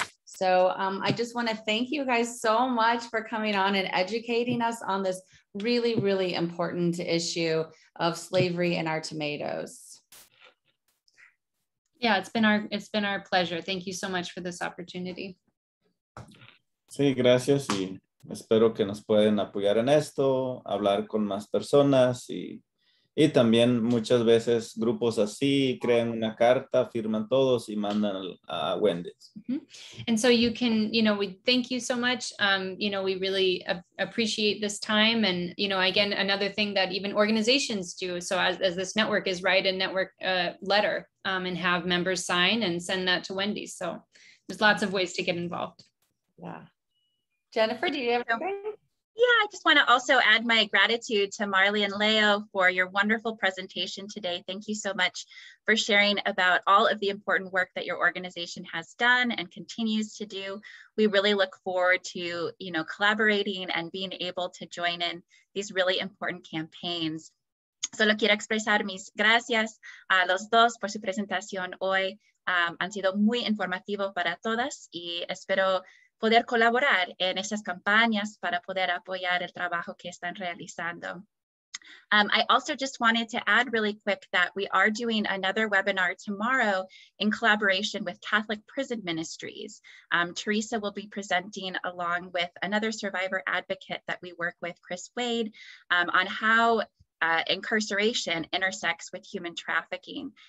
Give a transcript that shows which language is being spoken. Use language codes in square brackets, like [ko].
[en] So I just want to thank you guys so much for coming on and educating us on this really, really important issue of slavery in our tomatoes. Yeah, it's been our pleasure. Thank you so much for this opportunity. [es] Sí, gracias, y espero que nos pueden apoyar en esto, hablar con más personas, y también muchas veces grupos así crean una carta, firman todos y mandan a Wendy's. [en] And so you can, you know, we thank you so much. You know, we really appreciate this time. And, you know, again, another thing that even organizations do, so as this network, is write a network letter and have members sign and send that to Wendy's. So There's lots of ways to get involved. Yeah. Jennifer, do you have anything? Yeah, I just want to also add my gratitude to Marley and Leo for your wonderful presentation today. Thank you so much for sharing about all of the important work that your organization has done and continues to do. We really look forward to, you know, collaborating and being able to join in these really important campaigns. [es] Solo quiero expresar mis gracias a los dos por su presentación hoy. Han sido muy informativo para todas y espero poder colaborar en esas campañas para poder apoyar el trabajo que están realizando. [en] I also just wanted to add really quick that we are doing another webinar tomorrow in collaboration with Catholic Prison Ministries. Teresa will be presenting along with another survivor advocate that we work with, Chris Wade, on how incarceration intersects with human trafficking.